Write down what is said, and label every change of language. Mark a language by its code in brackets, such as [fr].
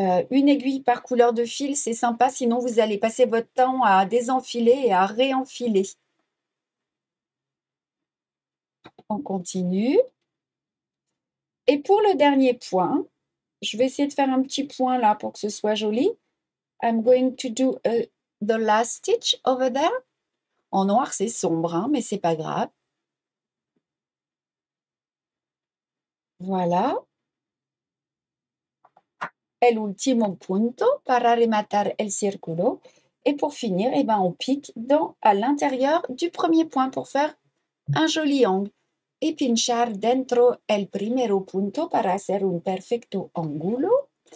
[fr] Une aiguille par couleur de fil, c'est sympa, sinon vous allez passer votre temps à désenfiler et à réenfiler. On continue. Et pour le dernier point, je vais essayer de faire un petit point là pour que ce soit joli. [en] I'm going to do the last stitch over there. [fr] En noir, c'est sombre, hein, mais c'est pas grave. Voilà. [es] L'ultimo punto para rematar el circolo. [fr] Et pour finir, eh ben, on pique à l'intérieur du premier point pour faire un joli angle. [es] Et pinchar dentro el primero punto para hacer un perfecto angulo.